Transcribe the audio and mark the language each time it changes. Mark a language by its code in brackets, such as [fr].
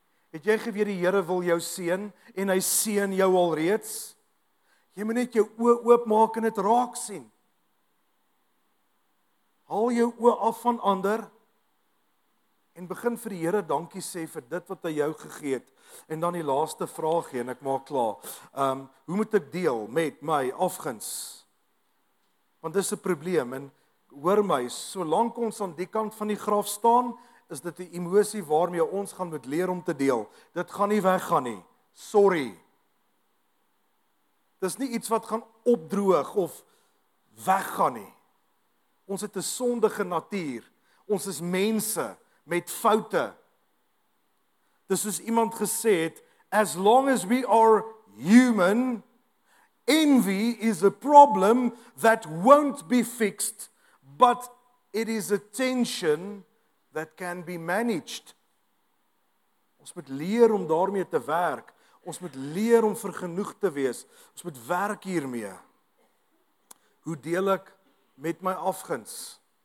[af] Het jy geweet die Here wil jou seën en hy seën jou alreeds? Jy moet net jou oë oopmaak en dit raak sien. Haal jou oë af van ander en begin vir die Here dankie sê vir dit wat hy jou gegee het. En dan die laaste vraagie en ek maak klaar. Hoe moet ek deel met my afguns? Want dis 'n probleem en hoor my, solank ons aan die kant van die graf staan, is dit 'n emosie waarmee ons gaan moet leer om te deel. Dit gaan nie weggaan nie. Sorry. Dis nie iets wat gaan opdroog of weggaan nie. Ons het 'n sondige natuur. Ons is mense met foute. Dis soos iemand gesê het, [en] as long as we are human, envy is a problem that won't be fixed, but it is a tension that can be managed. [af] Ons moet leer om daarmee te werk. Ons moet leer om vergenoeg te wees. Ons moet werk hiermee. Hoe deel ek met my afguns?